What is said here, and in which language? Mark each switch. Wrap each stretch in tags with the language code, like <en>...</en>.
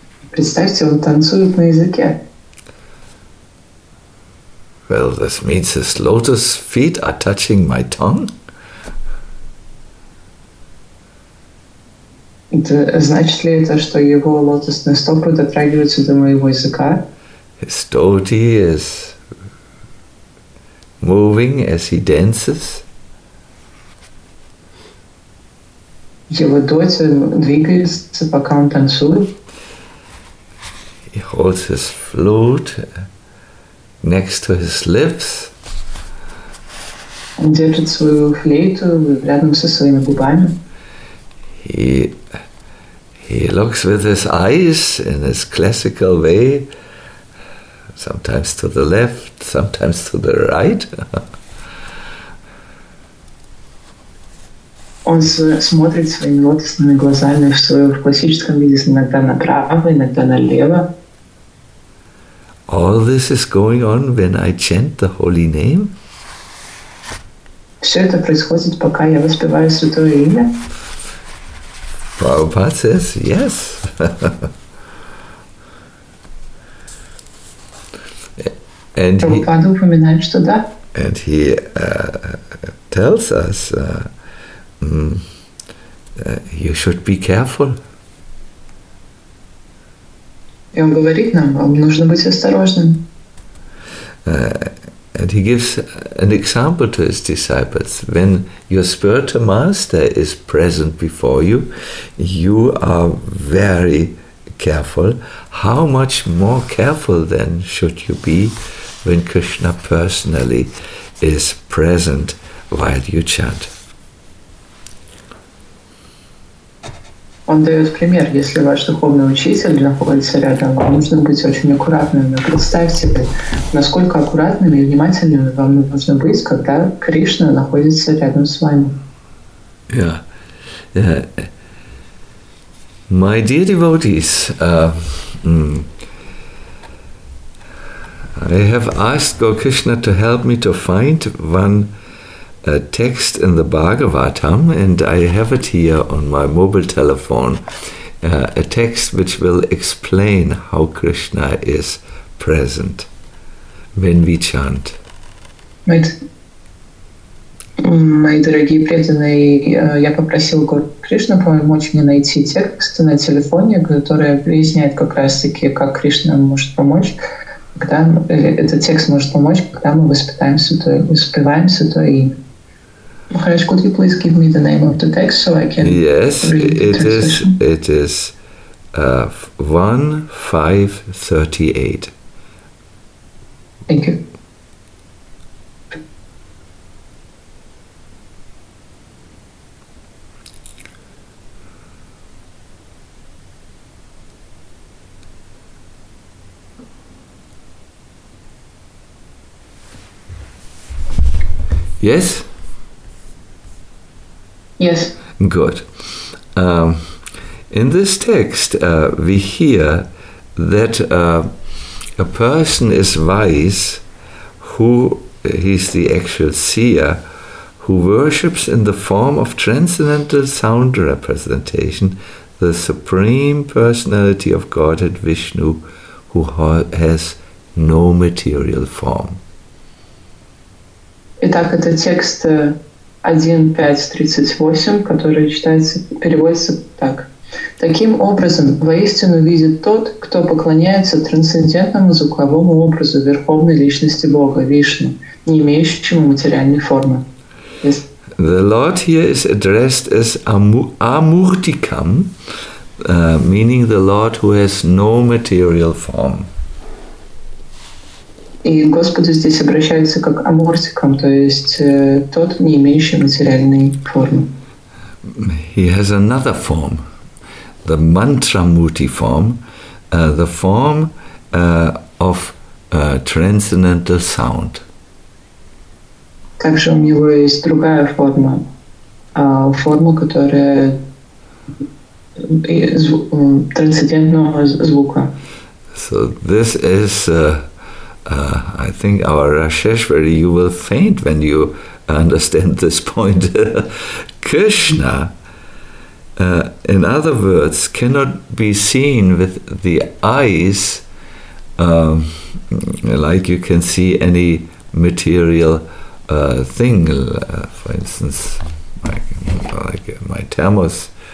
<ru>Представьте, он танцует на языке.</ru> <en>Well, this means his lotus feet are touching my tongue.</en> <ru>Значит ли это, что его лотосные стопы дотрагиваются до моего языка?</ru> <en>His toti is moving as he dances.</en> <ru>Его доти двигается, пока он танцует.</ru> <en>He holds his flute next to his lips.</en> <ru>Он держит свою флейту рядом со своими губами.</ru> <en>He looks with his eyes in his classical way, sometimes to the left, sometimes to the right.</en> <ru>Он смотрит своими лотосными глазами в классическом виде, иногда направо, иногда налево.</ru> <en>All this is going on when I chant the holy name?</en> <ru>Все это происходит, пока я воспеваю святое имя.</ru> <en>Prabhupada says, yes. And</en> <ru>Prabhupada упоминает, что да.</ru> <en>And he tells us, you should be careful.</en> <ru>И он говорит нам, вам нужно быть осторожным.</ru> <en>And he gives an example to his disciples. When your spiritual master is present before you, you are very careful. How much more careful then should you be when Krishna personally is present while you chant.</en> <ru>Он дает пример, если ваш духовный учитель находится рядом, вам нужно быть очень аккуратными. Представьте, насколько аккуратными и внимательными вам нужно быть, когда Кришна находится рядом с вами.</ru> <en>Yeah. My dear devotees, I have asked Gokrishna to help me to find one a text in the Bhagavatam, and I have it here on my mobile telephone, a text which will explain how Krishna is present when we chant.</en> <ru>Мои дорогие преданные, я попросил Кришну помочь мне найти текст на телефоне, который объясняет как раз-таки, как Кришна может помочь, когда этот текст может помочь, когда мы воспеваем святое имя.</ru> <en>Maharaj, could you please give me the name of the text so I can Yes, it is. It is 1:5:38. Thank you. Yes. Yes. Good. In this text, we hear that a person is wise who, he's the actual seer, who worships in the form of transcendental sound representation, the Supreme Personality of Godhead Vishnu, who has no material form.</en> <ru>Итак, этот текст... 1:5:38, который читается, переводится так. Таким образом, воистину видит тот, кто поклоняется трансцендентному звуковому образу Верховной Личности Бога, Вишну, не имеющему материальной формы.</ru> <en>Yes. The Lord here is addressed as Amurtikam, meaning the Lord who has no material form.</en> <ru>И Господь здесь обращается как амуртикам, то есть тот, не имеющий материальной формы.</ru> <en>He has another form, the mantramurti form, the form of transcendental sound.</en> <ru>Также у него есть другая форма, форма, которая трансцендентного звука.</ru> <en>So this is... I think our Rasheshwari, you will faint when you understand this point. Krishna, in other words, cannot be seen with the eyes like you can see any material thing, for instance, like my thermos.</en>